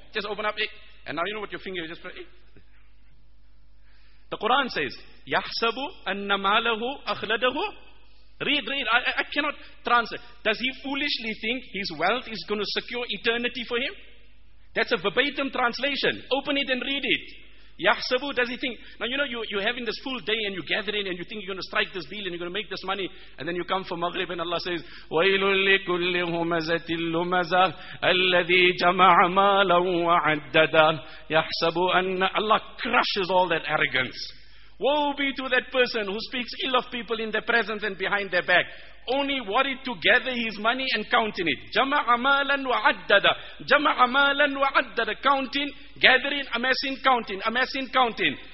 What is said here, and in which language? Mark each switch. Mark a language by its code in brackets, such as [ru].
[en] Just open up, and now you know what your finger is. Just press, the Quran says, [ar] يَحْسَبُ أَنَّ مَالَهُ أَخْلَدَهُ. [en] Read. I cannot translate. Does he foolishly think his wealth is going to secure eternity for him? That's a verbatim translation. Open it and read it. Yahsabu, does he think? Now you know, you're having this full day and you're gathering and you think you're going to strike this deal and you're going to make this money. And then you come for Maghrib and Allah says, [ar] وَيْلٌ لِكُلِّ هُمَزَةٍ لُمَزَةٍ أَلَّذِي جَمَعَ مَالًا وَعَدَّدًا يَحْسَبُ أَنَّ. [en] Allah crushes all that arrogance. Woe be to that person who speaks ill of people in their presence and behind their back. Only worried to gather his money and counting it. [ar] جَمَعَ مَالًا وَعَدَّدًا. جَمَعَ مَالًا وَعَدَّدًا. [en] Counting, gathering, amassing, counting.